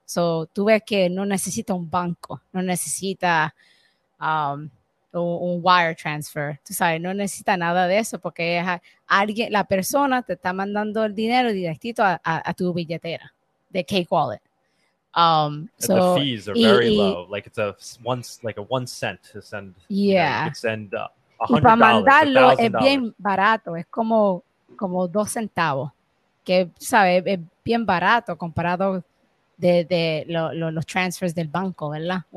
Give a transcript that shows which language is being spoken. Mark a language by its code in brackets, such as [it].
[es] So, tú ves que no necesita un banco, no necesita un wire transfer, tú sabes, no necesita nada de eso porque es alguien, la persona te está mandando el dinero directito a tu billetera de Cake Wallet. [en] The fees are very low, like it's a 1 cent to send. Yeah. You could send $100. [es] Y para mandarlo es bien barato, es como 2 centavos, que sabes, es bien barato comparado de los transfers del banco, ¿verdad?